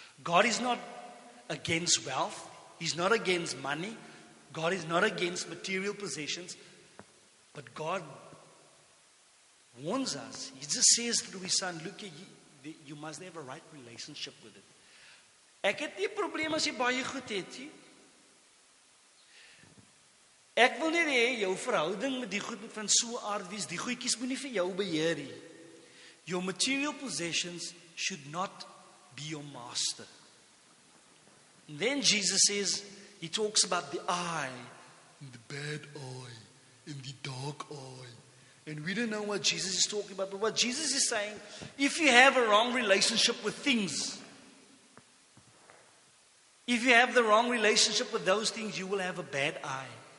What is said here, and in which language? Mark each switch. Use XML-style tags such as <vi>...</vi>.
<en>God is not against wealth. He's not against money. God is not against material possessions. But God warns us. He just says through his son, look, you must have a right relationship with it.</en> <af>Ek het nie probleem as jy baie goed het nie. Ek wil nie hê jou verhouding met die goed van so aard wees. Die goedjies moet nie vir jou beheer nie.</af> <en>Your material possessions should not be your master. And then Jesus says, he talks about the eye, and the bad eye, and the dark eye. And we don't know what Jesus is talking about, but what Jesus is saying, if you have a wrong relationship with things, if you have the wrong relationship with those things, you will have a bad eye.</en>